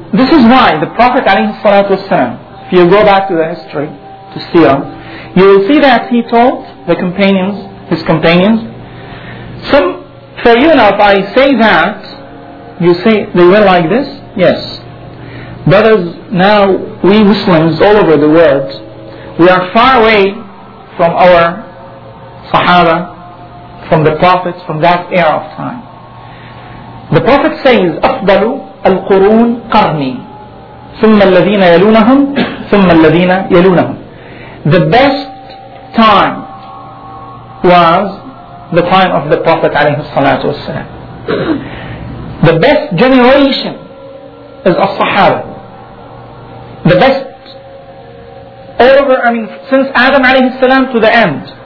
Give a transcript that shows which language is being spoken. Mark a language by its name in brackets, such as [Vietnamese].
[English] This is why the Prophet ﷺ, if you go back to the history, to Siyam, you will see that he told the companions, his companions, some for you now, if I say that, you say, they were like this? Yes. Brothers, now we Muslims all over the world, we are far away from our Sahaba, from the Prophets, from that era of time. The Prophet says, [Arabic] أَفْضَلُ الْقُرُونَ قَرْنِي ثُمَّ الَّذِينَ يَلُونَهُمْ ثُمَّ الَّذِينَ يَلُونَهُمْ. [English] The best time was the time of the Prophet ﷺ. The best generation is As-Sahaba. The best over, I mean, since Adam ﷺ to the end.